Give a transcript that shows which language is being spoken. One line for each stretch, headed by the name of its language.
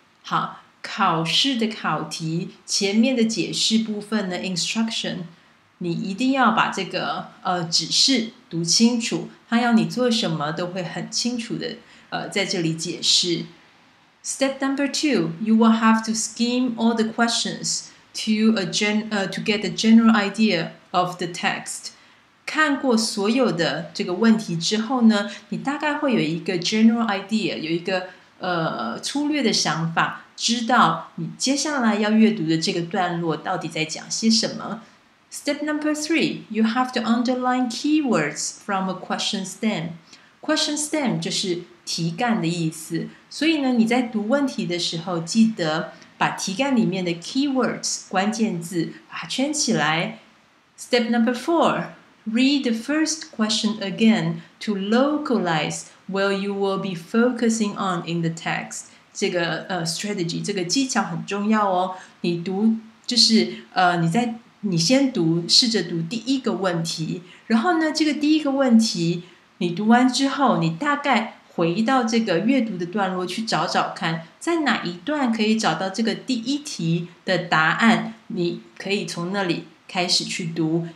Chinese: 好，考试的考题前面的解释部分呢 ，instruction， 你一定要把这个指示读清楚，他要你做什么都会很清楚的。在这里解释。
English: Step number two, you will have to skim all the questions to get a general idea of the text.
Chinese: 看过所有的这个问题之后呢，你大概会有一个
English: general idea，
Chinese: 有一个粗略的想法，知道你接下来要阅读的这个段落到底在讲些什么。
English: Step number three, you have to underline keywords from a question stem.
Chinese: Question stem 就是题干的意思，所以呢，你在读问题的时候，记得把题干里面的 keywords 关键字把它圈起来。
English: Step number four, read the first question again to localize what you will be focusing on in the text.
Chinese: 这个strategy 这个技巧很重要哦。你读就是你先读，试着读第一个问题，然后呢，这个第一个问题你读完之后，你大概。回到这个阅读的段落去找找看，在哪一段可以找到这个第一题的答案，你可以从那里开始去读。